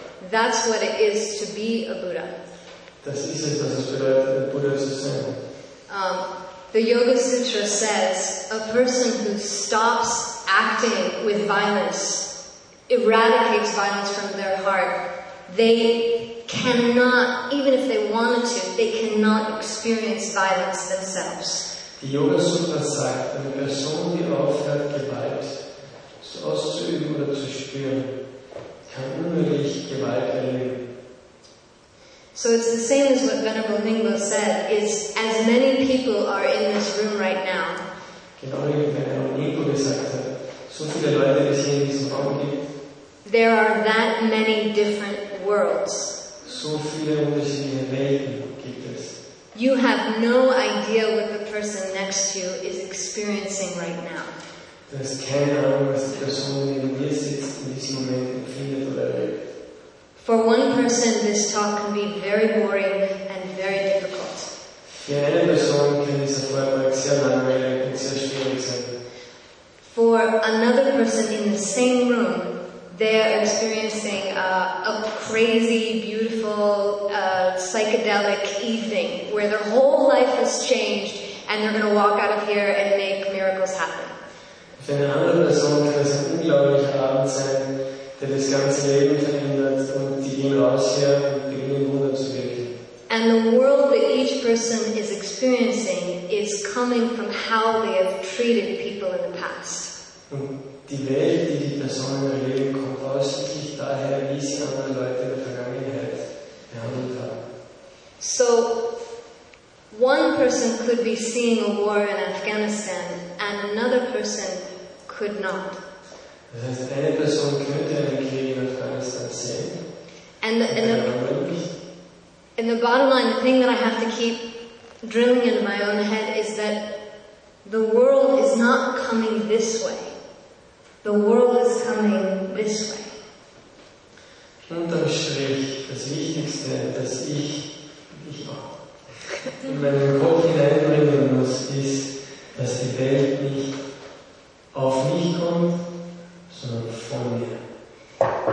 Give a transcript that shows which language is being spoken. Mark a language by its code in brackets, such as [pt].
[en] That's what it is to be a Buddha. [de] Das ist es, was es bedeutet, ein Buddha zu sein. [en] The Yoga Sutra says, a person who stops acting with violence, eradicates violence from their heart, they cannot, even if they wanted to, they cannot experience violence themselves. [de] Die Yoga Sutra sagt, eine Person, die aufhört, Gewalt auszuüben oder zu spüren, kann unmöglich Gewalt erleben. [en] So it's the same as what Venerable Nyingma said, is as many people are in this room right now. [de] Genau wie Venerable Nyingma gesagt hat, so viele Leute, die es hier in diesem Raum gibt. [en] There are that many different worlds. [de] So viele unterschiedliche Welten gibt es. [en] You have no idea what the person next to you is experiencing right now. [de] Du hast keine Ahnung, was die Person, die in dir sitzt, in diesem Moment empfindet oder erlebt. [en] For one person, this talk can be very boring and very difficult. [de] Für eine Person kann dieser Vortrag sehr langweilig und sehr schwierig sein. [en] For another person in the same room, they are experiencing a crazy, beautiful, psychedelic evening where their whole life has changed and they're going to walk out of here and make miracles happen. [de] Für eine andere Person kann es ein unglaublicher Abend sein, der das ganze Leben verändert und die gehen raus hier und beginnen Wunder zu wirken. [en] And the world that each person is experiencing is coming from how they have treated people in the past. [de] Und die Welt, die die Person in ihrem Leben kommt, ausschließlich daher, wie sie andere Leute in der Vergangenheit behandelt haben. [en] So, one person could be seeing a war in Afghanistan and another person could not. [de] Das heißt, eine Person könnte einen Krieg in Afghanistan sehen. [en] And the bottom line, the thing that I have to keep drilling into my own head is that the world is not coming this way. The world is coming this way. [de] Unterm Strich, das Wichtigste, dass ich in meinen Kopf hineinbringen muss, ist, dass die Welt nicht auf mich kommt, sondern von mir.